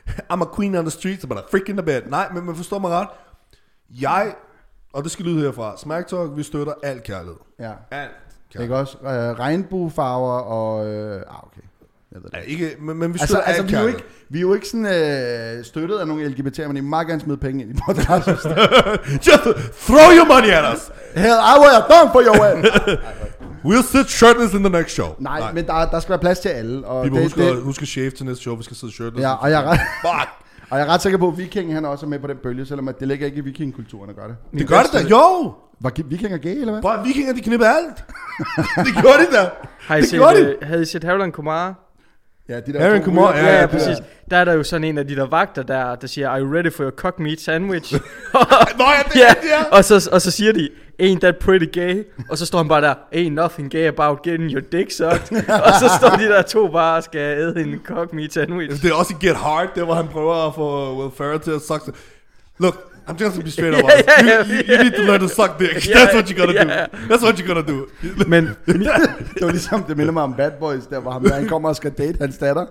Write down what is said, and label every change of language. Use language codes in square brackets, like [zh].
[en] I'm a queen on the street, but a freak in the bed. [da] Nej, men man forstår mig ret. Jeg... Og det skal lyde herfra. Smack Talk, vi støtter alt kærlighed. Ja. Alt kærlighed. Ikke også? Regnbuefarver og... okay. Jeg ved det. Ja, ikke, men vi støtter alt kærlighed. Vi er jo ikke sådan støttet af nogle LGBT'er, men I meget gerne smide penge ind i podcast. [en] Just throw your money at us. Hell, I will have done for your way. We'll sit shirtless in the next show. [da] Nej, nej. Men der skal være plads til alle. Og vi må huske at shave til næste show, vi skal sidde shirtless. Ja, og jeg er fuck. Og jeg er ret sikker på, at Viking han også er med på den bølge, selvom det ligger ikke i vikingkulturen at gøre det. Det gør det da, jo! Var vikinger gay, eller hvad? Bare vikinger, de knipper alt! Det gør det da! Havde I set Harald Kumar? Ja, de der... Harald Kumar, ja, ja, præcis. Der er der jo sådan en af de der vagter der siger, [en] are you ready for your cock meat sandwich? [da] Nå, ja, det er det, ja! Og så siger de, [en] ain't that pretty gay? [da] Og så står han bare der, [en] ain't nothing gay about getting your dick sucked. [da] Og så står de der to bare og skal æde en cock meat sandwich. Det er også Get Hard, det hvor han prøver at få Will Ferrell til at suck. [en] Look, I'm just gonna be straight up. You need to learn to suck dick. Yeah, that's what you gotta do. That's what you gotta do. [da] Men det var ligesom, det minder mig om Bad Boys, der hvor han kommer og skal date hans datter.